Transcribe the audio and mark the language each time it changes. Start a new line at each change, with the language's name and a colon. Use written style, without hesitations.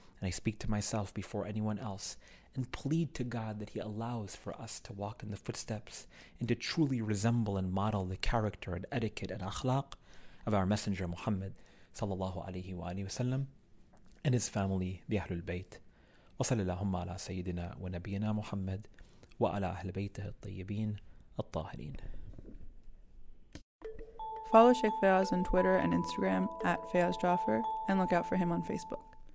English: And I speak to myself before anyone else and plead to God that He allows for us to walk in the footsteps and to truly resemble and model the character and etiquette and akhlaq of our Messenger Muhammad sallallahu alayhi wa alayhi wa sallam and his family, the Ahlul Bayt.
Arabic: وصلى اللهم على سيدنا ونبينا محمد وعلى أهل بيته الطيبين الطاهرين.
English: Follow Sheikh Faiyaz on Twitter and Instagram @FaiyazJaffer and look out for him on Facebook.